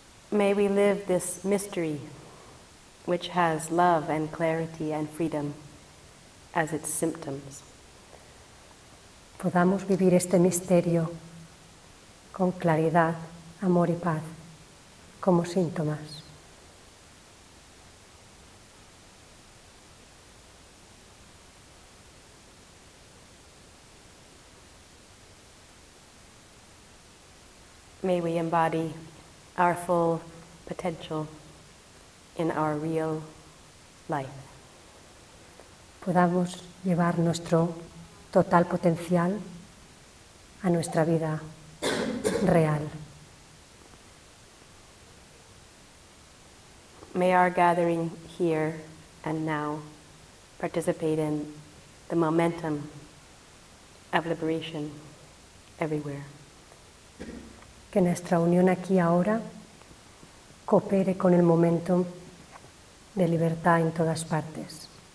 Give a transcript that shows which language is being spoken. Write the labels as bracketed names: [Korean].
[English] May we live this mystery, which has love and clarity and freedom as its symptoms. [Spanish] Podamos vivir este misterio con claridad, amor y paz como síntomas. [English] May we embody our full potential in our real life. [Spanish] Podamos llevar nuestro total potencial a nuestra vida real. [English] May our gathering here and now participate in the momentum of liberation everywhere. [Spanish] Que nuestra unión aquí ahora coopere con el momento de libertad en todas partes.